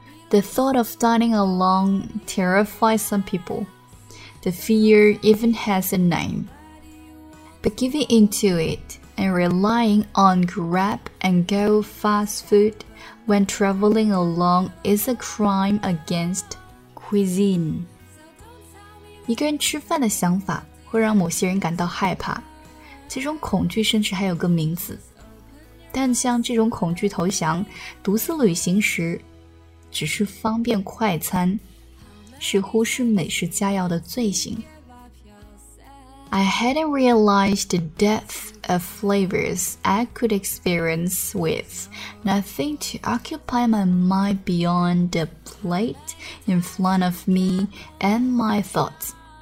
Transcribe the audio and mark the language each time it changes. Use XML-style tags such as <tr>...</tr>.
<en>The thought of dining alone terrifies some people. The fear even has a name. But giving into it and relying on grab and go fast food when traveling alone is a crime against cuisine.</en> <zh>一个人吃饭的想法会让某些人感到害怕，这种恐惧甚至还有个名字。但像这种恐惧投降，独自旅行时只是方便快餐，是忽视美食佳肴的罪行。</zh> <en>I hadn't realized the depth of flavors I could experience with nothing to occupy my mind beyond the plate in front of me and my thoughts.</en>